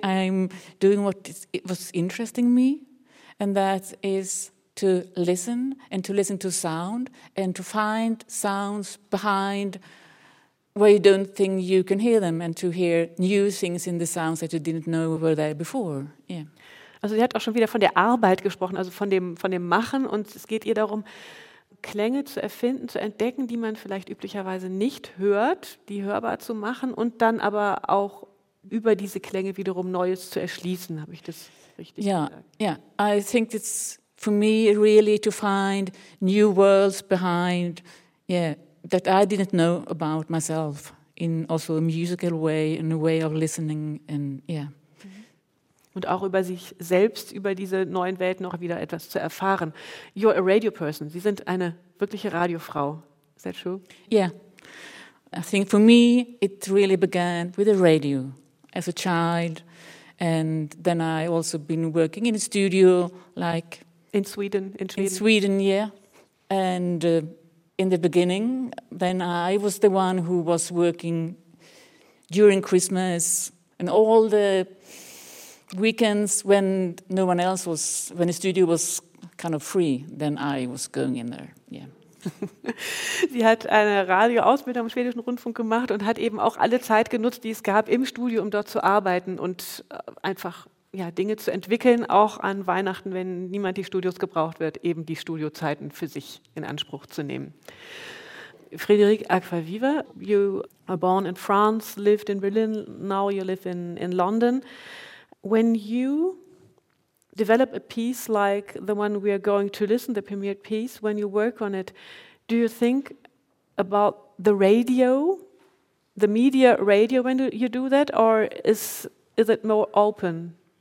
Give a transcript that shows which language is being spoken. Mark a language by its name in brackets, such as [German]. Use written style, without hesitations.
[English] I'm doing what was interesting me, and that is to listen and to listen to sound and to find sounds behind where you don't think you can hear them and to hear new things in the sounds that you didn't know were there before. Yeah. [German] Also sie hat auch schon wieder von der Arbeit gesprochen, also von dem Machen, und es geht ihr darum, Klänge zu erfinden, zu entdecken, die man vielleicht üblicherweise nicht hört, die hörbar zu machen und dann aber auch über diese Klänge wiederum Neues zu erschließen, habe ich das richtig gesagt? Ja, [English] yeah. I think it's for me really to find new worlds behind, yeah, that I didn't know about myself in also a musical way, in a way of listening and yeah. [German] Und auch über sich selbst, über diese neuen Welten auch wieder etwas zu erfahren. [English] You're a radio person. [German] Sie sind eine wirkliche Radiofrau. [English] Is that true? Yeah. I think for me it really began with the radio as a child. And then I also been working in a studio like... In Sweden. In Sweden, yeah. And in the beginning, then I was the one who was working during Christmas and all the... weekends when no one else was, when the studio was kind of free, then I was going in there, yeah. [German] Sie hat eine Radioausbildung im Schwedischen Rundfunk gemacht und hat eben auch alle Zeit genutzt, die es gab, im Studio, um dort zu arbeiten und einfach ja, Dinge zu entwickeln, auch an Weihnachten, wenn niemand die Studios gebraucht wird, eben die Studiozeiten für sich in Anspruch zu nehmen. [English] Frédéric Aquaviva, you are born in France, lived in Berlin, now you live in London. When you develop a piece like the one we are going to listen, the premiered piece, when you work on it, do you think about the radio, the media radio, when you do that, or is it more open?